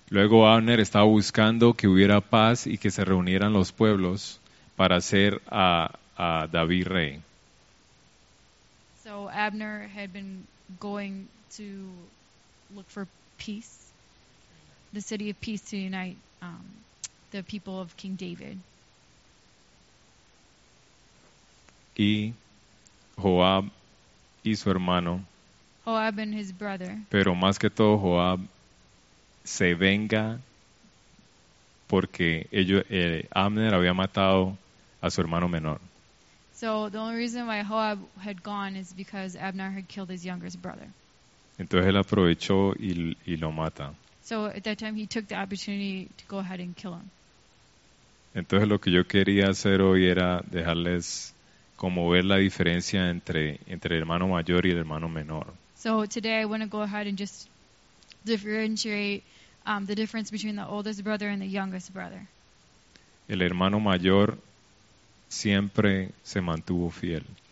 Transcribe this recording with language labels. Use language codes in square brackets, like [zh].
[es] Luego Abner estaba buscando que hubiera paz y que se reunieran los pueblos para hacer a David rey. [en] So Abner had been going to look for peace, the city of peace, to unite the people of King David. [es] Y Joab y su hermano. [en] Joab and his brother. [es] Pero más que todo Joab se venga porque Abner había matado a su hermano menor. [en] So the only reason why Joab had gone is because Abner had killed his youngest brother. [es] Entonces él aprovechó y lo mata. [en] So at that time he took the opportunity to go ahead and kill him. [es] Entonces lo que yo quería hacer hoy era dejarles como ver la diferencia entre el hermano mayor y el hermano menor. [en] So today I want to go ahead and just differentiate the difference between the oldest brother and the youngest brother. [es] El hermano mayor siempre se mantuvo fiel.